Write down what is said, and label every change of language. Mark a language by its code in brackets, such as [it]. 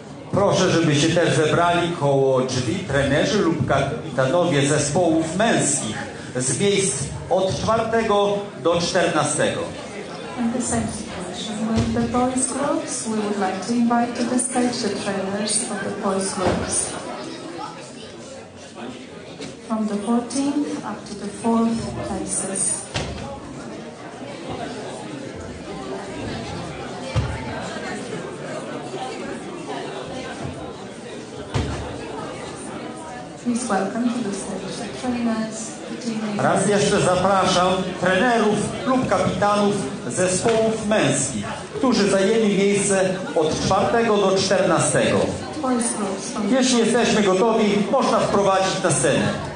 [pl] Proszę, żebyście też zebrali koło drzwi trenerzy lub kapitanowie zespołów męskich z miejsc od 4 do 14. [en] And the same situation with the boys' groups. We would like to invite to the stage the trainers of the boys' groups. From the 14th up to the 4th places. Please welcome to the stage the trainers. [pl] Raz jeszcze zapraszam trenerów lub kapitanów zespołów męskich, którzy zajęli miejsce od 4 do 14. Jeśli jesteśmy gotowi, można wprowadzić na scenę.